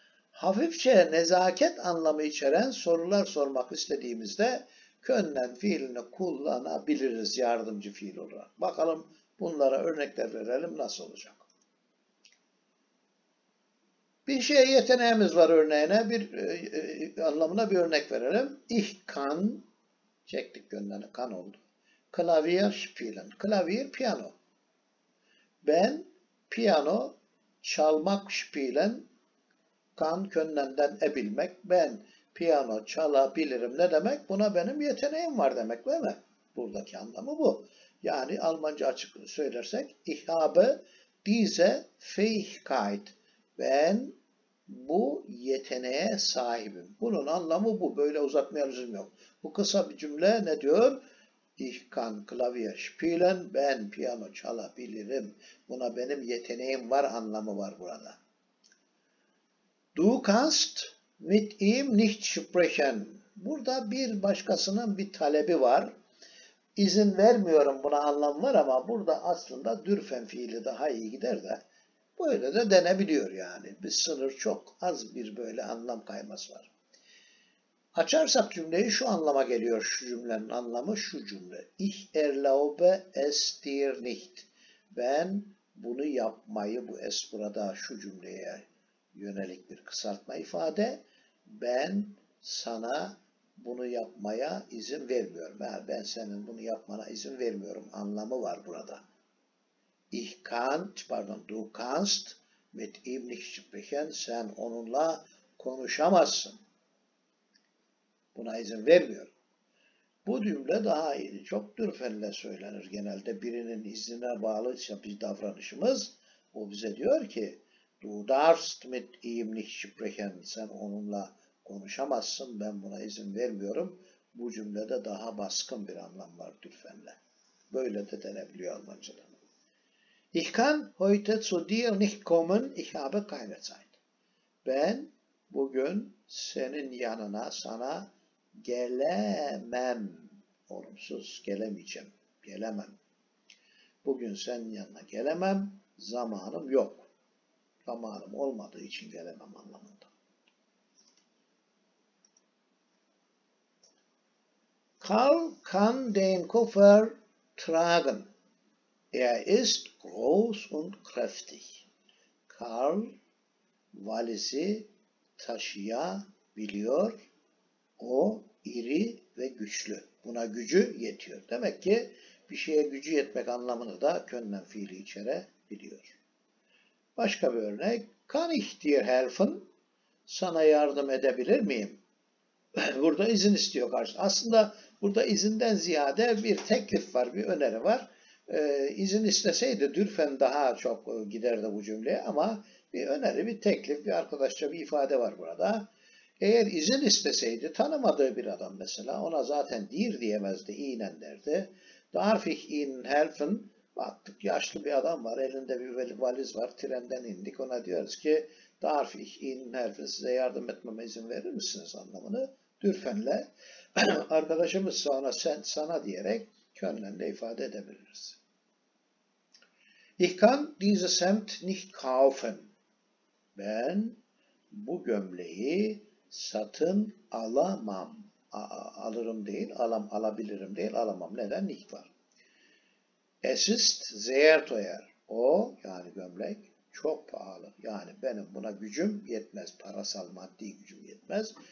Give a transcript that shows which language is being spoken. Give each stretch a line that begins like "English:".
Turkish: Hafifçe nezaket anlamı içeren sorular sormak istediğimizde können fiilini kullanabiliriz yardımcı fiil olarak. Bakalım bunlara örnekler verelim nasıl olacak. Bir şeye yeteneğimiz var örneğine, bir anlamına bir örnek verelim.
German: Ich kann,
Turkish: çektik könneni,
German: kann
Turkish: oldu.
German: Klavier spielen, klavier piano.
Turkish: Ben piyano çalmak spielen, kann könnenden ebilmek, ben piyano çalabilirim ne demek? Buna benim yeteneğim var demek değil mi? Buradaki anlamı bu. Yani Almanca açık söylersek,
German: ich habe diese Fähigkeit,
Turkish: ben bu yeteneğe sahibim. Bunun anlamı bu. Böyle uzatmaya lüzum yok. Bu kısa bir cümle ne diyor?
German: Ich kann Klavier spielen.
Turkish: Ben piyano çalabilirim. Buna benim yeteneğim var anlamı var burada.
German: Du kannst mit ihm nicht sprechen.
Turkish: Burada bir başkasının bir talebi var. İzin vermiyorum buna anlamı var ama burada aslında dürfen fiili daha iyi gider de. Böyle de denebiliyor yani. Bir sınır çok az bir böyle anlam kayması var. Açarsak cümleyi şu anlama geliyor. Şu cümlenin anlamı şu cümle.
German: Ich erlaube es dir nicht.
Turkish: Ben bunu yapmayı, bu es burada şu cümleye yönelik bir kısaltma ifade. Ben sana bunu yapmaya izin vermiyorum. Ben senin bunu yapmana izin vermiyorum anlamı var burada.
German: Ich kann, pardon, du kannst mit ihm nicht sprechen.
Turkish: Sen onunla konuşamazsın. Buna izin vermiyorum. Bu cümle daha iyi. Çok dürfenle söylenir genelde. Birinin iznine bağlıysa bir davranışımız. O bize diyor ki,
German: du darfst mit ihm nicht sprechen.
Turkish: Sen onunla konuşamazsın. Ben buna izin vermiyorum. Bu cümlede daha baskın bir anlam var dürfenle. Böyle de denebiliyor Almanca'da.
German: Ich kann heute zu dir nicht kommen, ich habe keine Zeit.
Turkish: Ben bugün senin yanına sana gelemem. Olumsuz gelemeyeceğim. Gelemem. Bugün senin yanına gelemem. Zamanım yok. Zamanım olmadığı için gelemem anlamında.
German: Karl kann den Koffer tragen. Ist groß und kräftig.
Turkish: Karl valizi taşıyabiliyor. O iri ve güçlü. Buna gücü yetiyor. Demek ki bir şeye gücü yetmek anlamını da können fiili içerebiliyor. Başka bir örnek.
German: Kann ich dir helfen?
Turkish: Sana yardım edebilir miyim? Burada izin istiyor karşı. Aslında burada izinden ziyade bir teklif var, bir öneri var. İzin isteseydi dürfen daha çok giderdi bu cümleye ama bir öneri, bir teklif, bir arkadaşça bir ifade var burada. Eğer izin isteseydi tanımadığı bir adam mesela ona zaten dir diyemezdi, inen derdi.
German: Darf ich Ihnen helfen?
Turkish: Baktık yaşlı bir adam var, elinde bir valiz var, trenden indik, ona diyoruz ki
German: darf ich Ihnen helfen?
Turkish: Size yardım etmeme izin verir misiniz anlamını dürfenle. Arkadaşımız sonra sen sana diyerek könlen de ifade edebiliriz.
German: Ich kann dieses Hemd nicht kaufen.
Turkish: Ben bu gömleği satın alamam. Alırım değil, alabilirim değil, alamam. Neden? Nicht var.
German: Es ist sehr teuer.
Turkish: O, yani gömlek, çok pahalı. Yani benim buna gücüm yetmez. Parasal, maddi gücüm yetmez.